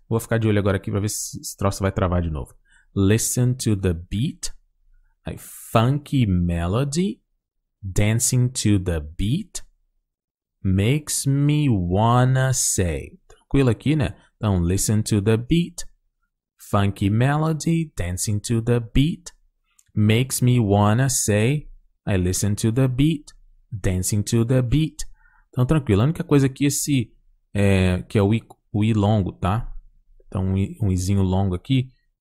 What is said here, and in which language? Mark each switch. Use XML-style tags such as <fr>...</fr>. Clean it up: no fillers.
<pt>Vou ficar de olho agora aqui para ver se esse troço vai travar de novo.</pt> <en>Listen to the beat. Aí, funky melody. Dancing to the beat makes me wanna say.</en> <pt>Tranquilo aqui, né? Então,</pt> <en>listen to the beat. Funky melody. Dancing to the beat makes me wanna say. I listen to the beat. Dancing to the beat.</en> <pt>Então, tranquilo. A única coisa aqui esse, que é o I longo, tá? Então, um Izinho longo aqui.</pt>